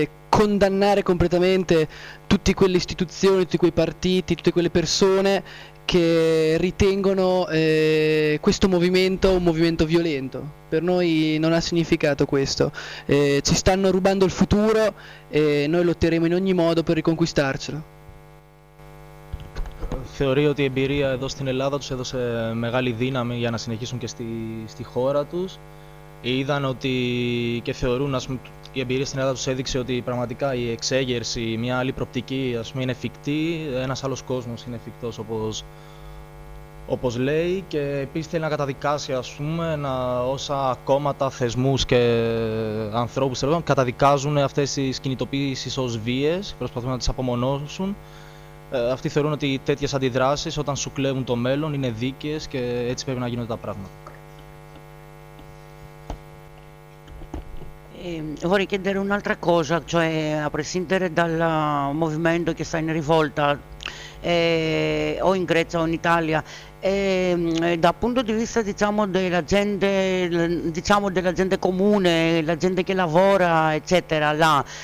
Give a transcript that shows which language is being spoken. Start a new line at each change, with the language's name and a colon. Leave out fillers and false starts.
Italian: condannare completamente tutte quelle istituzioni, tutti quei partiti, tutte quelle persone che ritengono questo movimento un movimento violento. Per noi non ha significato questo. Ci stanno rubando il futuro e noi lotteremo in ogni modo per riconquistarcelo.
Greek: Θεωρεί ότι η εμπειρία εδώ στην Ελλάδα τους έδωσε μεγάλη δύναμη για να συνεχίσουν και στη χώρα τους. Είδαν ότι και θεωρούν, ας πούμε, η εμπειρία στην Ελλάδα τους έδειξε ότι πραγματικά η εξέγερση, μια άλλη προπτική, ας πούμε, είναι εφικτή, ένας άλλος κόσμος είναι εφικτός, όπως λέει, και επίσης θέλει να καταδικάσει, ας πούμε, όσα κόμματα, θεσμούς και ανθρώπους καταδικάζουν αυτές τις κινητοποίησεις ως βίες, προσπαθούν να τις απομονώσουν. Αυτοί θεωρούν ότι τέτοιες αντιδράσεις, όταν σου κλέβουν το μέλλον, είναι δίκαιες και έτσι πρέπει να γίνονται τα πράγματα.
Italian: Vorrei chiedere un'altra cosa, cioè a prescindere dal movimento che sta in rivolta o in Grecia o in Italia, dal punto di vista, diciamo, della gente comune, la gente che lavora, eccetera, là,